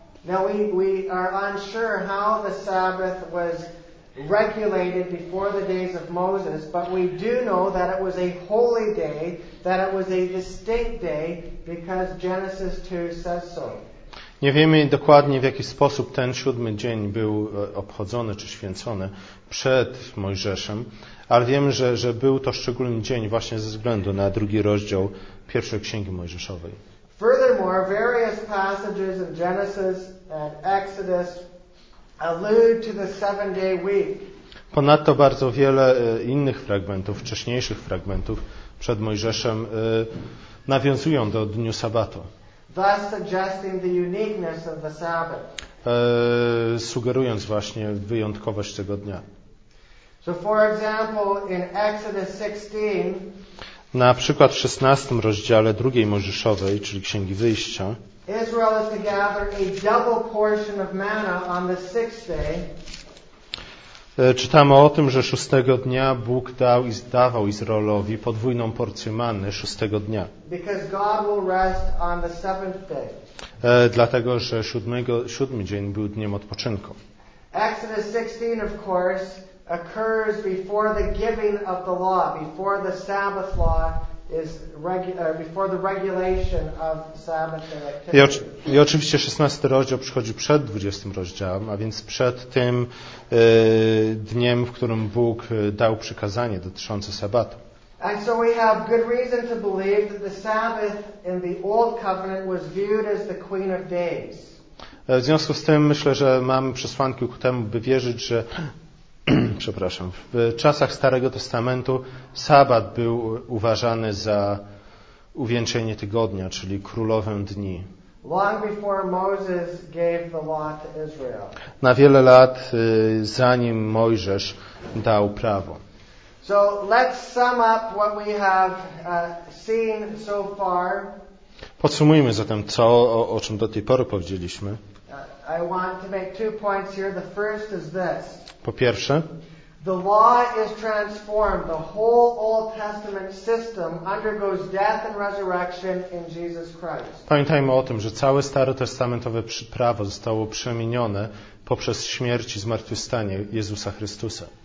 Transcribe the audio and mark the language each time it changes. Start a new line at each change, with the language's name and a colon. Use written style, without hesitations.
English: Now we are unsure how the Sabbath was regulated before the days of Moses, but we do know that it was a holy day, that it was a distinct day, because Genesis 2 says so.
Polish: Nie wiemy dokładnie, w jaki sposób ten siódmy dzień był obchodzony czy święcony przed Mojżeszem, ale wiemy, że był to szczególny dzień właśnie ze względu na drugi rozdział pierwszej Księgi Mojżeszowej.
English: Furthermore, various passages in Genesis and Exodus allude to the seven-day week.
Polish: Ponadto bardzo wiele innych fragmentów, wcześniejszych fragmentów przed Mojżeszem nawiązują do dniu sabatu.
English: Thus suggesting the uniqueness of the Sabbath.
Polish: Sugerując właśnie wyjątkowość tego dnia.
English: So for example, in Exodus 16,
Polish: na przykład w 16 rozdziale drugiej Mojżeszowej, czyli Księgi Wyjścia,
English: Israel is to gather a double portion of manna on the sixth day.
Polish: Czytamy o tym, że szóstego dnia Bóg dał i zdawał Izraelowi podwójną porcję manny szóstego dnia.
English: Because God will rest on the seventh day.
Polish: Dlatego, że siódmy dzień był dniem odpoczynku.
English: Exodus 16, of course, occurs before the giving of the law, before the Sabbath law is before the regulation of Sabbath activity.
Polish: I oczywiście 16 rozdział przychodzi przed 20 rozdziałem, a więc przed tym dniem, w którym Bóg dał przykazanie dotyczące sabatu.
English: And so we have good reason to believe that the Sabbath in the Old Covenant was viewed as the Queen of Days.
Polish: W związku z tym myślę, że mamy przesłanki ku temu, by wierzyć, że przepraszam. W czasach Starego Testamentu sabat był uważany za uwieńczenie tygodnia, czyli królowę dni.
English: Long before Moses gave the law to Israel.
Polish: Na wiele lat, zanim Mojżesz dał prawo.
English: So let's sum up what we have seen so far.
Polish: Podsumujmy zatem to, o czym do tej pory powiedzieliśmy.
English: I want to make two points here. The first is this.
Polish: Po pierwsze,
English: the law is transformed. The whole Old Testament system undergoes death and resurrection in Jesus Christ.
Polish: Pamiętajmy o tym, że całe starotestamentowe prawo zostało przemienione poprzez śmierć i zmartwychwstanie Jezusa Chrystusa.